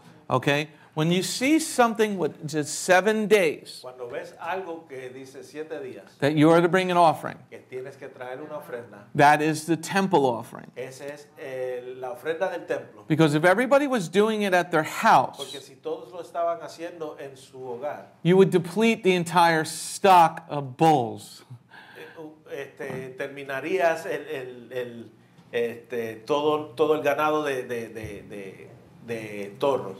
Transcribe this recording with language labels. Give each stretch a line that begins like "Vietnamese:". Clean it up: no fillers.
English: Okay? When you see something with just 7 days,
Spanish: cuando ves algo que dice siete días,
English: that you are to bring an offering,
Spanish: que tienes que traer una ofrenda,
English: that is the temple offering.
Spanish: Ese es, la ofrenda del templo.
English: Because if everybody was doing it at their house,
Spanish: porque si todos lo estaban haciendo en su hogar,
English: you would deplete the entire stock of bulls.
Spanish: Este, terminarías el este, todo el ganado de toros.